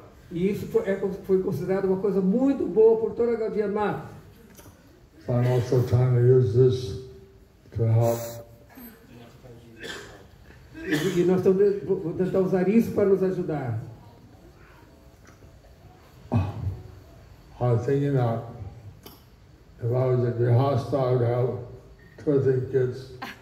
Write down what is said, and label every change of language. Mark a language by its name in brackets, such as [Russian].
[Portuguese] E isso foi considerado uma coisa muito boa por toda a Gaudiya Math. [English] So I'm also trying to use this to help. [Portuguese] E nós estamos tentando usar isso para nos ajudar. [English] I'm thinking that if I was a grihastha, I would have 20 kids.